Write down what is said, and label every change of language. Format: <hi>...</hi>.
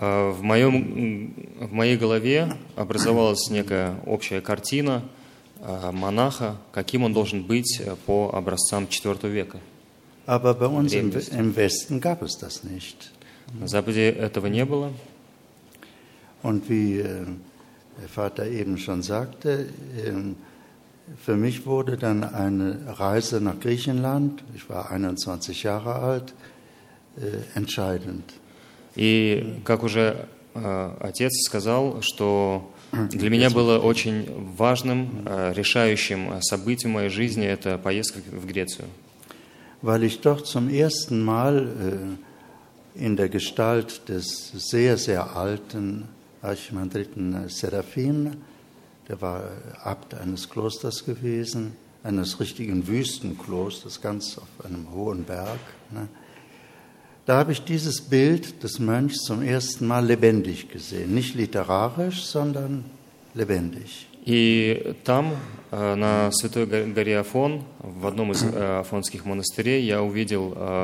<ru>В моей голове образовалась некая общая картина монаха, каким он должен быть по образцам IV века.</ru> <de>Aber bei uns im Westen gab es das nicht.</de> <ru>На Западе этого не было.</ru> <de>Und wie Vater eben schon sagte, für mich wurde dann eine Reise nach Griechenland, ich war 21 Jahre alt, entscheidend.</de> <ru>И как уже отец сказал, что для меня было очень важным, решающим событием моей жизни это поездка в Грецию.</ru> <de>Weil ich doch zum ersten Mal in der Gestalt des sehr, sehr alten Archimandriten Seraphim, der war Abt eines Klosters gewesen, eines richtigen Wüstenklosters, ganz auf einem hohen Berg, ne? Da habe ich dieses Bild des Mönchs zum ersten Mal lebendig gesehen, nicht literarisch, sondern lebendig.</de> <ru>И там, на Святой горе Афон, в одном из афонских монастырей, я увидел</ru>